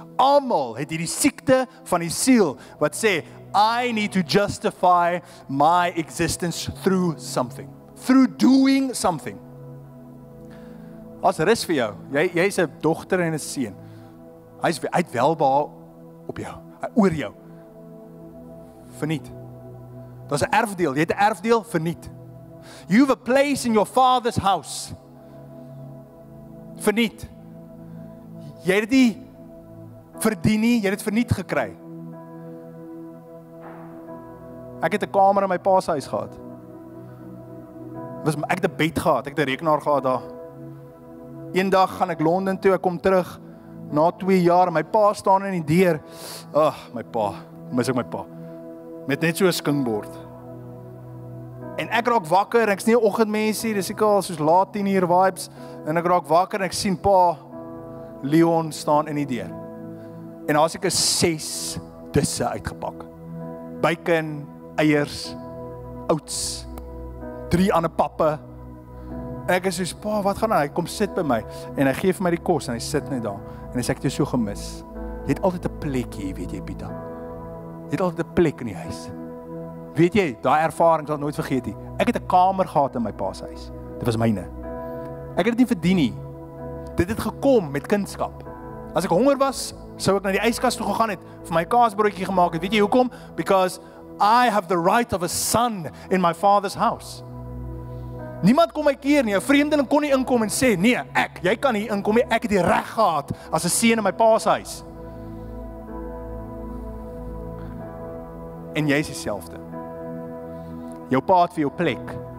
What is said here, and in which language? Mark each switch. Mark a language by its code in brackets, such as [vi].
[af] Almal het hierdie siekte van die siel wat sê, [en] "I need to justify my existence through something. Through doing something." [af] As rus vir jou. Jy's 'n dogter en 'n seun. Hy het welbehaag op jou, oor jou. Verniet. Dit is 'n erfdeel. Jy het 'n erfdeel, verniet. [en] You have a place in your father's house. [af] Verniet. Jy het dit verdien nie, jy het dit verniet gekry. Ek het 'n kamer in my pa se huis gehad. Ek het 'n bed gehad, ek het 'n rekenaar gehad daar. Eendag gaan ek Londen toe, ek kom terug. Na 2 jaar, my pa staan in die deur. Ag, my pa, mis ek my pa. Met net so 'n skinkbord. En ek raak wakker, ek's nie 'n oggendmensie, dis ek al soos laat 10:00 vibes, en ek raak wakker en ek sien pa Leon staan in die deur. En daar is ek 6 disse uitgepak. Bacon, eiers, oats, 3 ander pappe. En ek is soos, pa, wat gaan aan? Hy kom sit by my. En hy geef my die kos en hy sit net daar. En hy sê, ek het jou so gemis. Jy het altyd 'n plek hier, weet jy, Pieter. Jy het altyd 'n plek in die huis. Weet jy, daai ervaring sal nooit vergeet nie. Ek het 'n kamer gehad in my pa se huis. Dit was myne. Ek het dit nie verdien nie. Dit het gekom met kindskap. As ek honger was, sou ek na die yskas toe gegaan het, vir my kaasbroodjie gemaak het. Weet jy hoekom? [en] Because I have the right of a son in my father's house. [af] Niemand kon my keer nie. 'N vreemdeling kon nie inkom en sê, nee, ek, jy kan nie inkom nie. Ek het die reg gehad as 'n seun in my pa se huis. En jy is dieselfde. Jou pa het vir jou plek.